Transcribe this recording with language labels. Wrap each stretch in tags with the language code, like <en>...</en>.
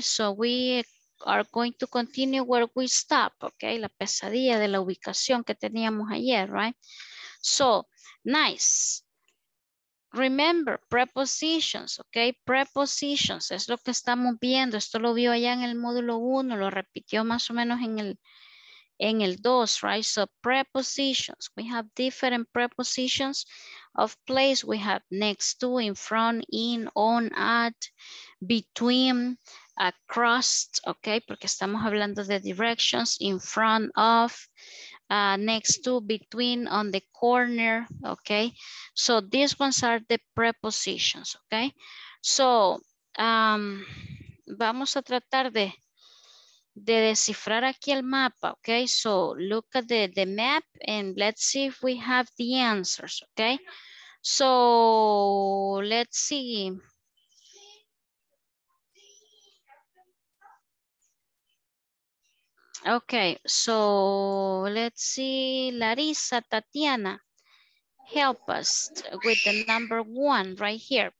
<en>So we are going to continue where we stop, ok?</en> <es>La pesadilla de la ubicación que teníamos ayer, right?</es> <en>So nice. Remember, prepositions, ok, prepositions,</en> <es>es lo que estamos viendo, esto lo vio allá en el módulo 1, lo repitió más o menos en el 2,</es> <en>right, so prepositions, we have different prepositions of place, we have next to, in front, in, on, at, between, across, ok,</en> <es>porque estamos hablando de</es> <en>directions, in front of, next to, between, on the corner, okay? So these ones are the prepositions, okay?</en> <es>So vamos a tratar de descifrar aquí el mapa, okay?</es> <en>So look at the map and let's see if we have the answers, okay? So let's see. Okay, so let's see, Larissa, Tatiana, help us with the number one right here.</en>